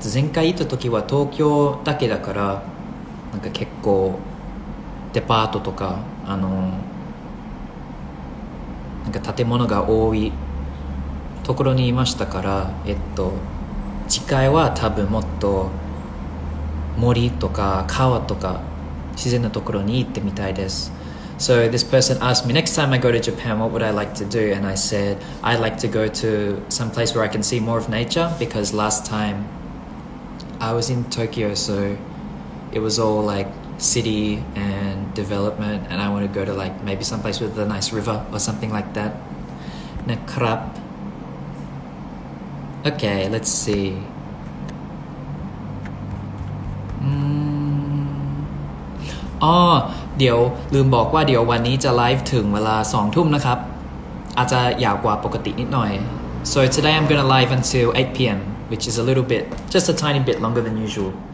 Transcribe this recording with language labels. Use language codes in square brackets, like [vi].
[ja] 前回行ったときは東京だけだから、なんか結構デパートとか、なんか建物が多い。ところにいましたから、次回は多分もっと森とか川とか自然なところに行ってみたいです。 [en] So this person asked me, next time I go to Japan, what would I like to do? And I said, I'd like to go to some place where I can see more of nature because last time I was in Tokyo, so it was all like city and development and I want to go to like maybe some place with a nice river or something like that. [th] นะครับ [en] Okay, let's see. [th] Oh, เดี๋ยวลืมบอกว่าเดี๋ยววันนี้จะไลฟ์ถึงเวลา 2 ทุ่มนะครับ อาจจะยาวกว่าปกตินิดหน่อย [en] So today I'm gonna live until 8 PM, which is a little bit, just a tiny bit longer than usual.